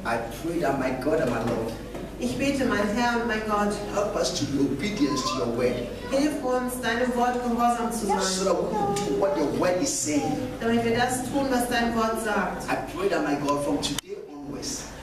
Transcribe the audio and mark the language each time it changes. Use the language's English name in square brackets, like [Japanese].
[English] I pray that my God and my Lord. [German] Ich bete, mein Herr und mein Gott. [English] Help us to be obedient to your word. [German] Hilf uns, deinem Wort gehorsam zu sein. [English] So that we can do what your word is saying. [German] Damit wir das tun, was dein Wort sagt. [English] I pray that my God, from today onwards.